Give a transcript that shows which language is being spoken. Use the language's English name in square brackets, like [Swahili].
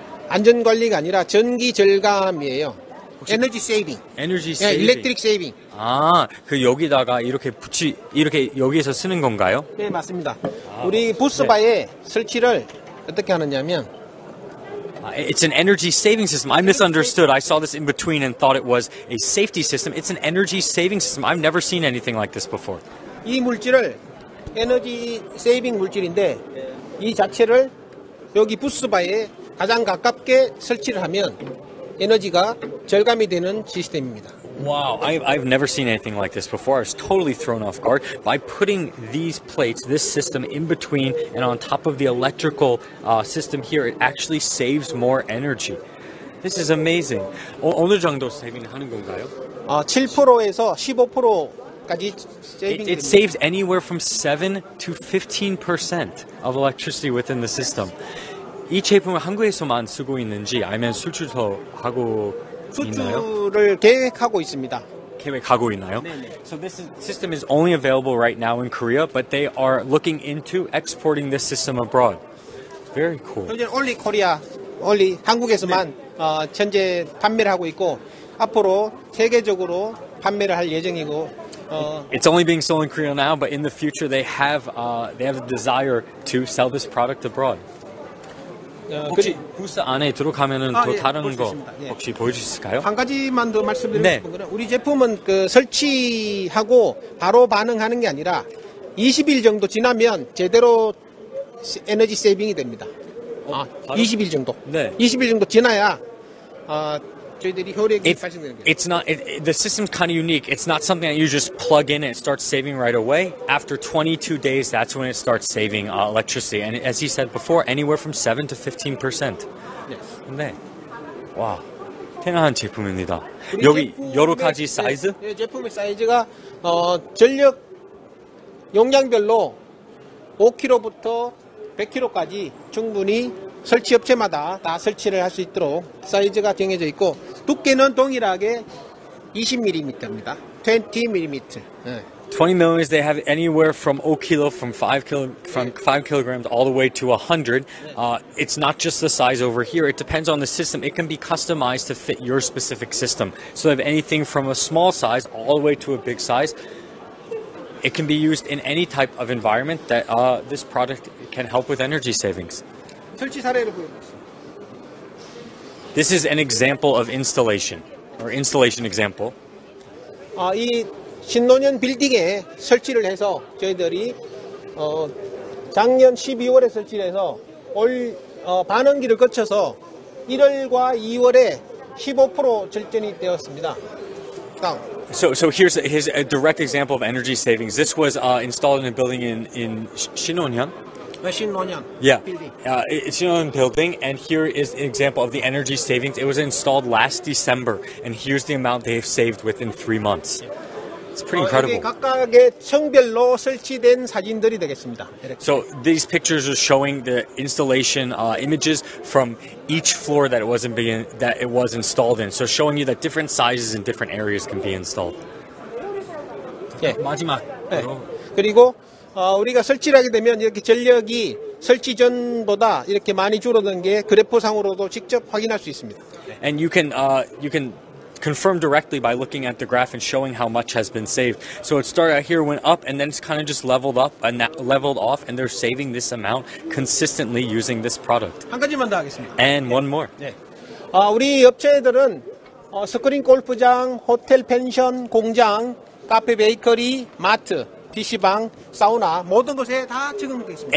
[Korean] 안전 관리가 아니라 전기 절감이에요. [English] 에너지 세이빙. 에너지 세이빙. 네, 일렉트릭 세이빙. [Korean] 아, 그 여기다가 이렇게 이렇게 여기에서 쓰는 건가요? 네, 맞습니다. 우리 부스바에 네. 설치를 어떻게 하느냐면 [English] It's an energy saving system. I misunderstood. I saw this in between and thought it was a safety system. It's an energy saving system. I've never seen anything like this before. [Korean] 이 물질을 에너지 세이빙 물질인데 이 자체를 여기 부스바에 가장 가깝게 설치를 하면 에너지가 절감이 되는 시스템입니다. [English] Wow, I've never seen anything like this before. I was totally thrown off guard. By putting these plates, this system in between and on top of the electrical system here, it actually saves more energy. This is amazing. [Korean] 어느 정도 세이빙 하는 건가요? 7%에서 15%까지 세이빙. [English] It saves anywhere from 7 to 15% of electricity within the system. [Korean] 이 제품을 한국에서만 쓰고 있는지 아니면 수출도 하고 수출을 계획하고 있습니다. 계획하고 있나요? 네네. [English] So this system is only available right now in Korea, but they are looking into exporting this system abroad. Very cool. [Korean] 현재 [English] only Korea, only [Korean] 한국에서만 네. 현재 판매를 하고 있고 앞으로 세계적으로 판매를 할 예정이고. [English] It's only being sold in Korea now, but in the future they have a desire to sell this product abroad. [Korean] 혹시 부스 안에 들어가면은 더 예, 다른 거 예. 혹시 보여주실까요? 한 가지만 더 말씀드리고 네. 싶은 거는 우리 제품은 그 설치하고 바로 반응하는 게 아니라 20일 정도 지나면 제대로 에너지 세이빙이 됩니다. 20일 정도. 네. 20일 정도 지나야 저희들이 효력이 발생되는 거예요. [English] The system's kind of unique. It's not something that you just plug in and it starts saving right away. After 22 days, that's when it starts saving electricity. And as he said before, anywhere from 7 to 15%. Yes. [Korean] 네. 와, 대단한 제품입니다. 여기 여러 가지 사이즈? 네, 제품의 사이즈가 전력 용량별로 5kg부터 100kg까지 충분히 설치 업체마다 다 설치를 할 수 있도록 사이즈가 정해져 있고 두께는 동일하게 20mm입니다. 20mm. [English] 20mm, they have anywhere from 5kg, from 5kg, from 5kg all the way to 100. It's not just the size over here. It depends on the system. It can be customized to fit your specific system. So they have anything from a small size all the way to a big size. It can be used in any type of environment that this product can help with energy savings. [Korean] 설치 사례를 보여드릴게요. [English] This is an example of installation, or installation example. [Korean] 이 신논현 빌딩에 설치를 해서 저희들이 작년 12월에 설치를 해서 올 반응기를 거쳐서 1월과 2월에 15% 절전이 되었습니다. 다음. [English] So here's a direct example of energy savings. This was installed in a building in 신논현. It's your own building, and here is an example of the energy savings. It was installed last December, and here's the amount they have saved within 3 months. It's pretty incredible. [Korean] 각각의 층별로 설치된 사진들이 되겠습니다. [English] So these pictures are showing the installation images from each floor that it was installed in. So showing you that different sizes in different areas can be installed. [Korean] 예, 마지막. 예. 그리고 우리가 설치를 하게 되면 이렇게 전력이 설치 전보다 이렇게 많이 줄어든 게 그래프상으로도 직접 확인할 수 있습니다. [English] And you can confirm directly by looking at the graph and showing how much has been saved. So it started out here, went up, and then it's kind of just leveled up and leveled off, and they're saving this amount consistently using this product. [Korean] 한 가지만 더 하겠습니다. [English] And [Korean] 네. [English] one more. [Korean] 네. 우리 업체들은 스크린 골프장, 호텔 펜션, 공장, 카페 베이커리, 마트, PC방, 사우나, 모든 곳에 다 적용되어 있습니다.